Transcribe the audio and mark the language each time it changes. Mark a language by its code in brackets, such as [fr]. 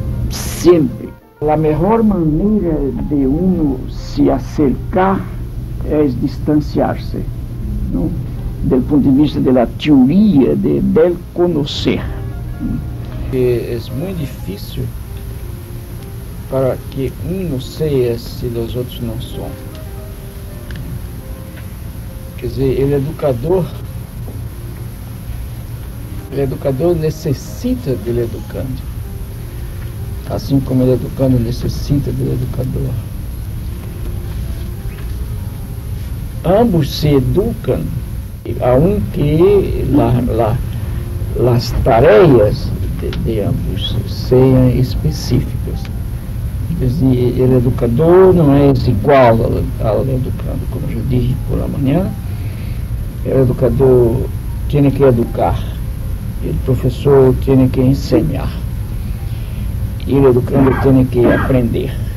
[es] Siempre. La mejor manera de uno se acercar es distanciarse, ¿no? Del punto de vista de la teoría del conocer. Es muy difícil para que uno sea si los otros no son. [pt] Quer dizer, ele educador necessita do educando, assim como ele educando necessita do educador. [es] Ambos [pt] se educam, [es] aunque las tareas de ambos [pt] sejam [es] específicas. [pt] Quer dizer, o educador não é igual ao educando, como eu já disse por amanhã. O educador tem que educar, e o professor tem que ensinar, e o educando tem que aprender.